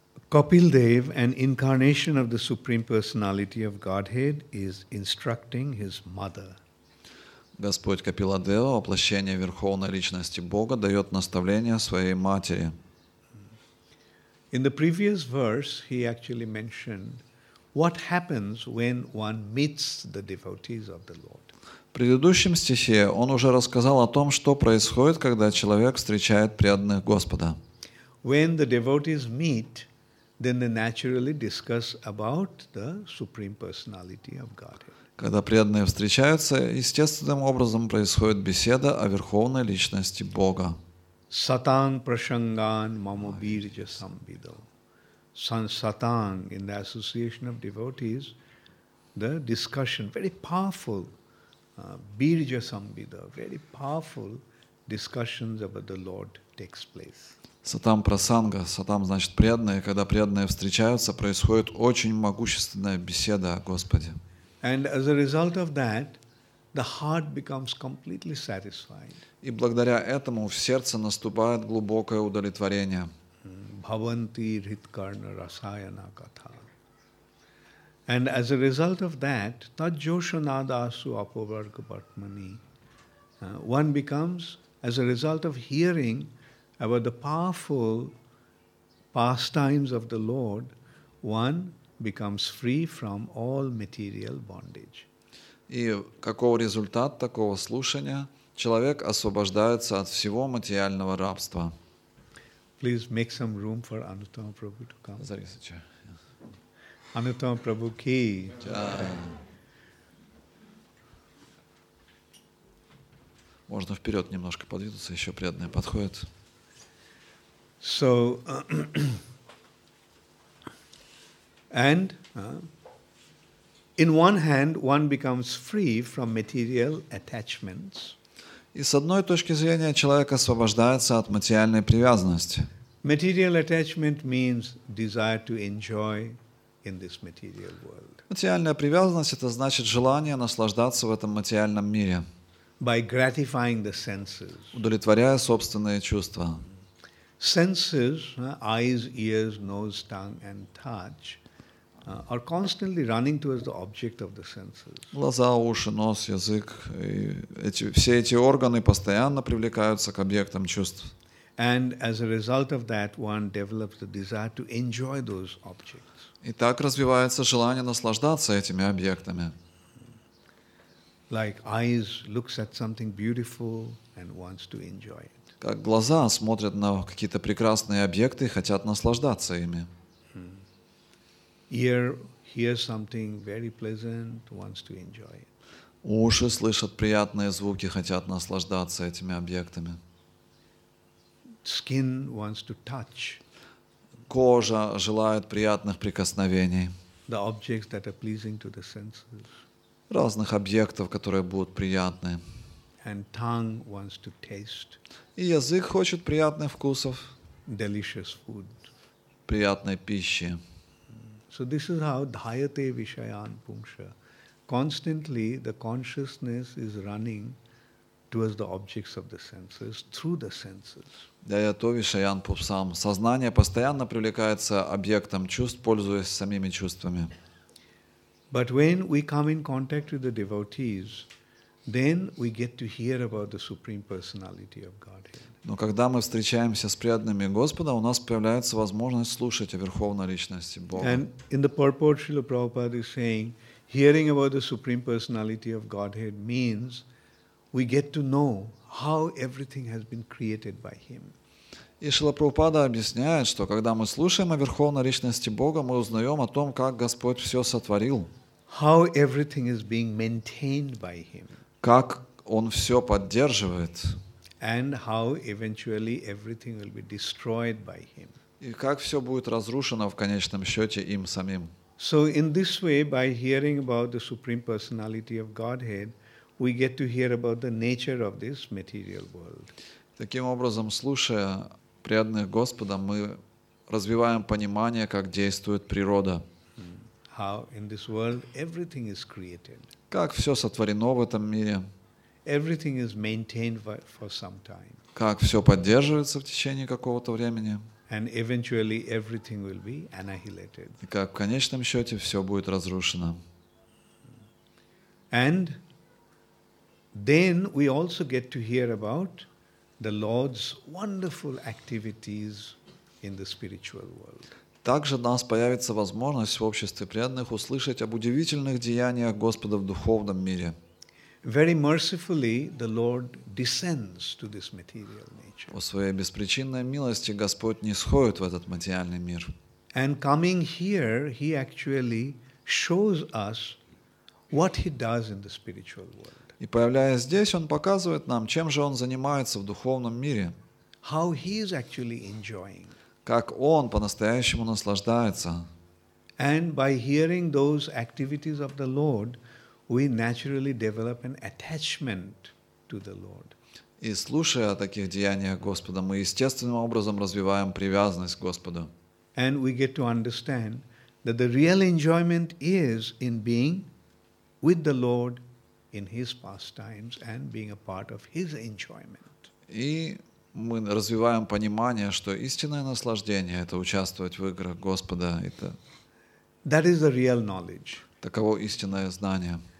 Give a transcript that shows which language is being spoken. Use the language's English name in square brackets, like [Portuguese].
[English] Kapildev, an incarnation of the Supreme Personality of Godhead, is instructing his mother. [Russian] Господь Капиладева, воплощение Верховной Личности Бога, дает наставление своей матери. [English] In the previous verse he actually mentioned what happens when one meets the devotees of the Lord. [Russian] В предыдущем стихе он уже рассказал о том, что происходит, когда человек встречает преданных Господа. [English] When the devotees meet, then they naturally discuss about the Supreme Personality of Godhead. [Russian] Когда преданные встречаются, естественным образом происходит беседа о Верховной Личности Бога. [Sanskrit] Сатанг прашанган мамо бирджа самбидо. Сан сатанг, [English] in the association of devotees, the discussion, very powerful, [Sanskrit] бирджа самбидо, [English] very powerful discussions about the Lord takes place. [Russian] Сатам прасанга, сатам значит преданные, когда преданные встречаются, происходит очень могущественная беседа о Господе. [English] And as a result of that, the heart becomes completely satisfied. [Russian] И благодаря этому в сердце наступает глубокое удовлетворение. [Sanskrit] Bhavanti ritkarna rasayana katha. [English] And as a result of that, [Sanskrit] tajoshanadasu apavarga patmani. [English] One becomes, as a result of hearing about the powerful pastimes of the Lord, one becomes free from all material bondage. [Russian] И какого результат такого слушания? Человек освобождается от всего материального рабства. [English] Please make some room for Anuttama Prabhu to come. Зарисача. [Hindi] Anuttama Prabhu ki. [Russian] Можно вперед немножко подвинуться, еще преданные подходят. [English] So, and in one hand, one becomes free from material attachments. [Russian] И с одной точки зрения человек освобождается от материальной привязанности. [English] Material attachment means desire to enjoy in this material world. [Russian] Материальная привязанность — это значит желание наслаждаться в этом материальном мире. [English] By gratifying the senses. [Russian] Удовлетворяя собственные чувства. [English] Senses, eyes, ears, nose, tongue, and touch, are constantly running towards the object of the senses. [Russian] Глаза, уши, нос, язык, все эти органы постоянно привлекаются к объектам чувств. [English] And as a result of that, one develops the desire to enjoy those objects. [Russian] И так развивается желание наслаждаться этими объектами. [English] Like eyes looks at something beautiful and wants to enjoy it. [Russian] Как глаза смотрят на какие-то прекрасные объекты и хотят наслаждаться ими. [English] Ear hears something very pleasant, wants to enjoy it. [Russian] Уши слышат приятные звуки, хотят наслаждаться этими объектами. [English] Skin wants to touch. [Russian] Кожа желает приятных прикосновений. [English] The objects that are pleasing to the senses. [Russian] Разных объектов, которые будут приятны. [English] And tongue wants to taste. [Russian] И язык хочет приятных вкусов. [English] Delicious food. [Russian] Приятной пищи. [English] So this is how [Sanskrit] dhyate vishayan pungsha. [English] Constantly the consciousness is running towards the objects of the senses through the senses. [Sanskrit] Dhyate vishayan pupsam. [Russian] Сознание постоянно привлекается объектом чувств, пользуясь самими чувствами. [English] But when we come in contact with the devotees, then we get to hear about the Supreme Personality of Godhead. [Russian] Но когда мы встречаемся с преданными Господа, у нас появляется возможность слушать о Верховной Личности Бога. [English] And in the purport, Srila Prabhupada is saying, hearing about the Supreme Personality of Godhead means we get to know how everything has been created by Him. [Russian] И Шрила Прабхупада объясняет, что когда мы слушаем о Верховной Личности Бога, мы узнаем о том, как Господь все сотворил. [English] How everything is being maintained by Him. [Russian] Как Он все поддерживает. [English] And how eventually everything will be destroyed by Him. [Russian] И как все будет разрушено в конечном счете им самим. [English] So in this way, by hearing about the Supreme Personality of Godhead, we get to hear about the nature of this material world. [Russian] Таким образом, слушая преданных Господа, мы развиваем понимание, как действует природа. [English] How in this world everything is created. [Russian] Как все сотворено в этом мире. [English] Everything is maintained for some time. [Russian] Как все поддерживается в течение какого-то времени. [English] And eventually everything will be annihilated. [Russian] И как в конечном счете все будет разрушено. [English] And then we also get to hear about the Lord's wonderful activities in the spiritual world. [Russian] Также у нас появится возможность в обществе преданных услышать об удивительных деяниях Господа в духовном мире. [English] Very mercifully, the Lord descends to this material nature. [Russian] По своей беспричинной милости Господь нисходит в этот материальный мир. [English] And coming here, He actually shows us what He does in the spiritual world. [Russian] И появляясь здесь, Он показывает нам, чем же Он занимается в духовном мире. [English] How He is actually enjoying. [Russian] Как Он по-настоящему наслаждается. [English] And by hearing those activities of the Lord, we naturally develop an attachment to the Lord. [Russian] И слушая о таких деяниях Господа, мы естественным образом развиваем привязанность к Господу. [English] And we get to understand that the real enjoyment is in being with the Lord in His pastimes and being a part of His enjoyment. [Russian] И мы развиваем понимание, что истинное наслаждение — это участвовать в играх Господа. Это... [English] That is the real knowledge. [Russian] Таково истинное знание.